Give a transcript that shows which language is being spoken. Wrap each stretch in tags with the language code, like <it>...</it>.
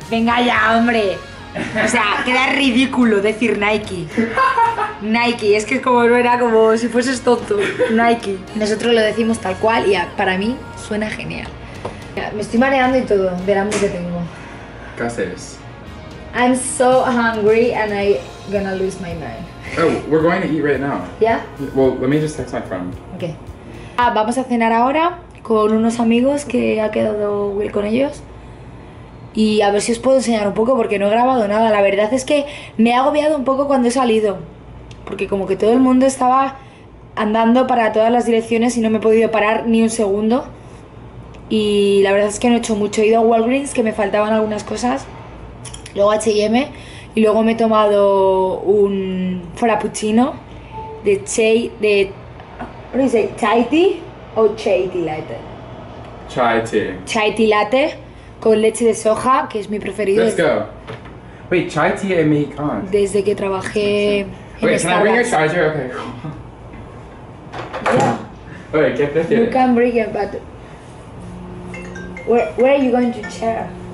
<es>Venga ya, hombre. O sea, queda ridículo decir Nike, es que como no era como si fueses tonto, Nike. Nosotros lo decimos tal cual y para mí suena genial. Me estoy mareando y todo, del hambre que tengo. ¿Qué haces?</es> <en>I'm so hungry and I'm gonna lose my mind. Oh, we're going to eat right now. Yeah? Well, let me just text my friend. Okay.</en> <es>Vamos a cenar ahora con unos amigos que ha quedado Will con ellos. Y a ver si os puedo enseñar un poco porque no he grabado nada. La verdad es que me he agobiado un poco cuando he salido. Porque como que todo el mundo estaba andando para todas las direcciones y no me he podido parar ni un segundo. Y la verdad es que no he hecho mucho. He ido a Walgreens, que me faltaban algunas cosas. Luego a H&M. Y luego me he tomado un frappuccino de chai... ¿Cómo se dice? ¿Chai tea o chai tea latte? Chai tea. Chai tea latte. Con leche de soja, que es mi preferido.</es> <en>Let's go. Wait, chai tea</en> <es>en mexicano. Desde que trabajé en Starbucks.</es> <en>Wait, can I bring your charger? Okay, cool. Yeah.</en> <es>Wait, ¿qué prefieres?</es> <en>You can bring it, but... Where are you going to chair?</en>